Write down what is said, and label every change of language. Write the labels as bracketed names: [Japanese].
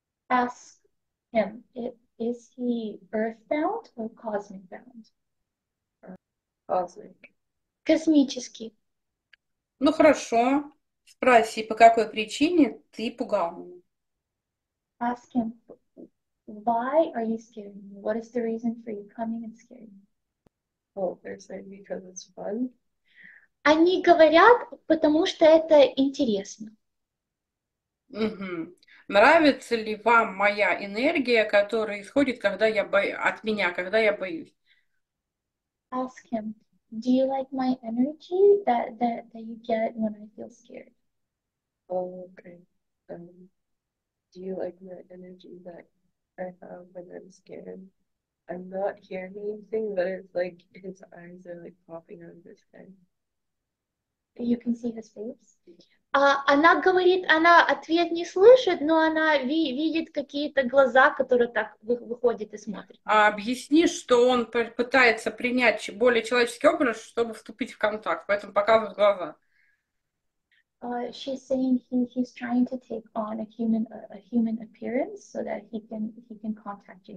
[English] Ask him, is he earthbound or cosmic bound? Cosmic. [Russian] Космический. Ну хорошо. Спроси, по какой причине ты пугал меня? [English] Ask him, why are you scaring me? What is the reason for you coming and scaring me? Oh, they're saying because it's fun. [Russian] Они говорят, потому что это интересно. Нравится ли вам моя энергия, которая исходит, когда я боюсь от меня, когда я боюсь? [English] Ask him, do you like my energy that you get when I feel scared? Oh, okay. Do you like my energy that I have when I'm scared? I'm not hearing anything, but it's like his eyes are like popping out of his head. You can see his face. [Russian] Она говорит, она ответ не слышит, но она видит какие-то глаза, которые так выходят и смотрят на А нее. объясни, что он пытается принять более человеческий образ, чтобы вступить в контакт, поэтому показывает глаза. [English] She's saying he's trying to take on a human appearance so that he can contact you.